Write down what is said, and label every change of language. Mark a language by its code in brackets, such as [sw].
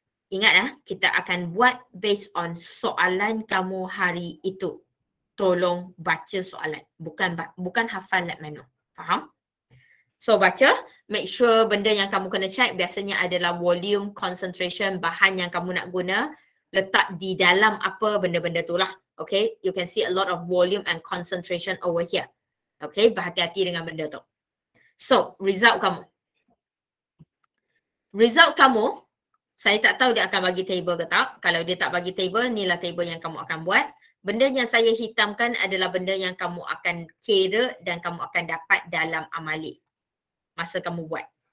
[ms] Ingatlah, kita akan buat based on soalan kamu hari itu. Tolong baca soalan. Bukan hafal lab manual. Faham? So baca, make sure benda yang kamu kena check biasanya adalah volume, concentration, bahan yang kamu nak guna. Letak di dalam apa benda-benda tu lah. [en] Okay, you can see a lot of volume and concentration over here. [ms] Okay, berhati-hati dengan benda tu. So, result kamu. Result kamu, saya tak tahu dia akan bagi table ke tak. Kalau dia tak bagi table, inilah table yang kamu akan buat. Benda yang saya hitamkan adalah benda yang kamu akan kira dan kamu akan dapat dalam amali masa kamu buat.